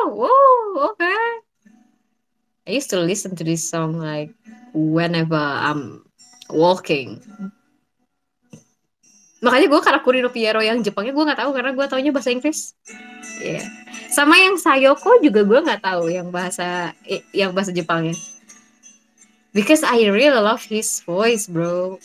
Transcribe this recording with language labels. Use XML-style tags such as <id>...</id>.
<en>Wow, okay. I used to listen to this song like whenever I'm walking.</en> <id>Makanya gue Karakuri no Piero yang Jepangnya gue nggak tahu karena gue taunya bahasa Inggris. Yeah. Sama yang Sayoko juga gue nggak tahu yang bahasa Jepangnya.</id> <en>Because I really love his voice, bro.</en>